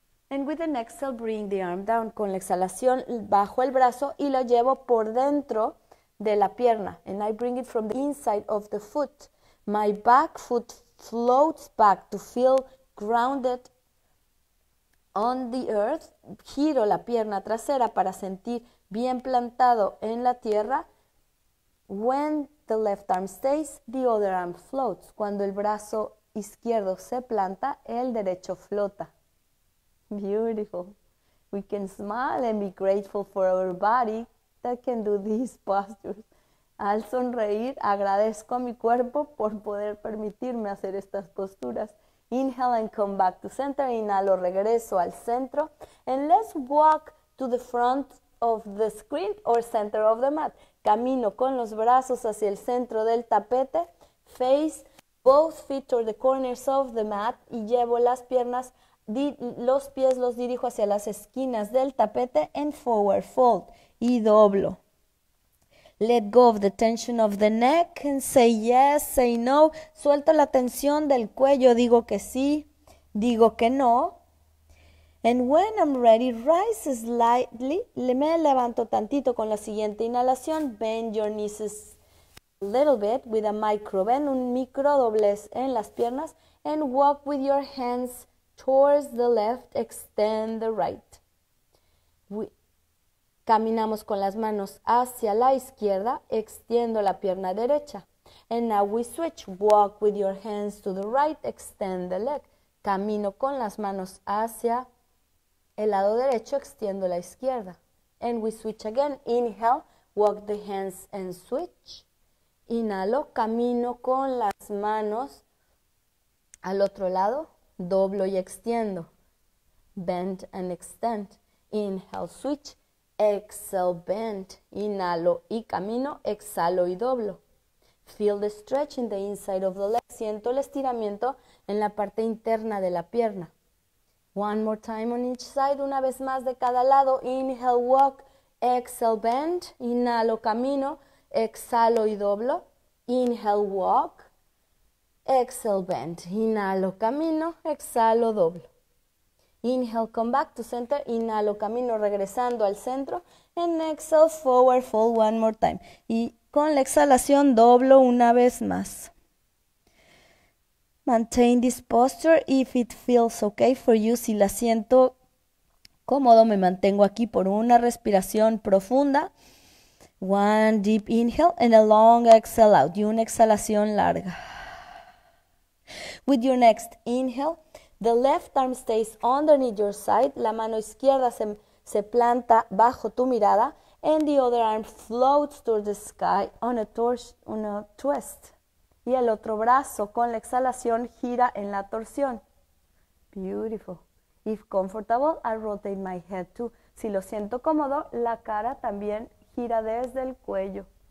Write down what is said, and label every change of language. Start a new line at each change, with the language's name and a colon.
English: And with an exhale, bring the arm down.
Spanish: Con la exhalación, bajo el brazo y lo llevo por dentro de la pierna.
English: And I bring it from the inside of the foot. My back foot floats back to feel grounded on the earth.
Spanish: Giro la pierna trasera para sentir bien plantado en la tierra.
English: When the left arm stays, the other arm floats.
Spanish: Cuando el brazo izquierdo se planta, el derecho flota.
English: Beautiful. We can smile and be grateful for our body that can do these postures.
Spanish: Al sonreír, agradezco a mi cuerpo por poder permitirme hacer estas posturas.
English: Inhale and come back to center.
Spanish: Inhalo, regreso al centro.
English: And let's walk to the front of the screen or center of the mat.
Spanish: Camino con los brazos hacia el centro del tapete.
English: Face both feet toward the corners of the mat.
Spanish: Y llevo las piernas, los pies los dirijo hacia las esquinas del tapete.
English: And forward fold.
Spanish: Y doblo.
English: Let go of the tension of the neck and say yes, say no.
Spanish: Suelto la tensión del cuello, digo que sí, digo que no.
English: And when I'm ready, rise slightly.
Spanish: Me levanto tantito con la siguiente inhalación.
English: Bend your knees a little bit with a micro bend,
Spanish: un micro doblez en las piernas.
English: And walk with your hands towards the left, extend the right.
Spanish: Caminamos con las manos hacia la izquierda, extiendo la pierna derecha.
English: And now we switch. Walk with your hands to the right, extend the leg.
Spanish: Camino con las manos hacia el lado derecho, extiendo la izquierda.
English: And we switch again. Inhale, walk the hands and switch.
Spanish: Inhalo, camino con las manos al otro lado, doblo y extiendo.
English: Bend and extend. Inhale, switch. Exhale, bend,
Spanish: inhalo y camino, exhalo y doblo.
English: Feel the stretch in the inside of the leg.
Spanish: Siento el estiramiento en la parte interna de la pierna.
English: One more time on each side,
Spanish: una vez más de cada lado.
English: Inhale, walk, exhale, bend,
Spanish: inhalo, camino, exhalo y doblo.
English: Inhale, walk, exhale, bend,
Spanish: inhalo, camino, exhalo, doblo.
English: Inhale, come back to center.
Spanish: Inhalo, camino regresando al centro.
English: And exhale, forward fold one more time.
Spanish: Y con la exhalación doblo una vez más.
English: Maintain this posture if it feels okay for you.
Spanish: Si la siento cómodo, me mantengo aquí por una respiración profunda.
English: One deep inhale and a long exhale out.
Spanish: Y una exhalación larga.
English: With your next inhale, the left arm stays underneath your side.
Spanish: La mano izquierda se planta bajo tu mirada.
English: And the other arm floats toward the sky on a twist.
Spanish: Y el otro brazo con la exhalación gira en la torsión.
English: Beautiful. If comfortable, I rotate my head too.
Spanish: Si lo siento cómodo, la cara también gira desde el cuello.